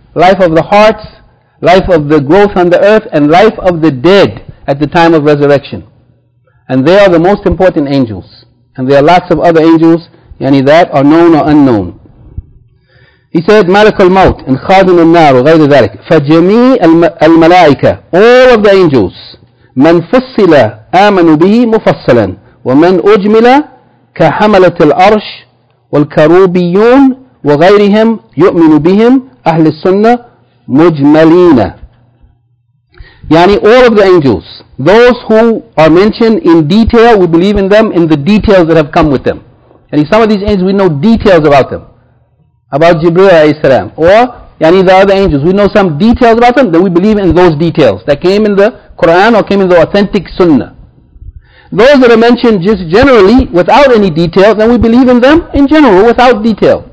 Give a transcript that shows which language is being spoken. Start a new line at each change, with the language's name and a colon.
English: Life of the heart, life of the growth on the earth, and life of the dead at the time of resurrection. And they are the most important angels. And there are lots of other angels, yani that are known or unknown. He said, Malak al-Maut, and Khadim al-Nar, or
Arabic: غير ذلك. فَجَمِيعَ الْمَلَائِكَ
English: All of the angels.
Arabic: مَنْ فُصِّلَ آمَنُوا بِهِ مُفَصَّلًا وَمَنْ أُجْمِلَ كَحَمَلَةِ الْأَرْشِ وَالْكَرُوبِيُّونَ وَغَيْرِهِمْ يُؤْمِنُوا بِهِمْ أَهْلِ السُّنَّةِ مُجْمَلِينَ
English: Yani all of the angels. Those who are mentioned in detail, we believe in them, in the details that have come with them. And in some of these angels, we know details about them. About Jibreel alayhi salam. Or, yani the other angels. We know some details about them, then we believe in those details. That came in the Quran or came in the authentic sunnah. Those that are mentioned just generally, without any detail, then we believe in them in general, without detail.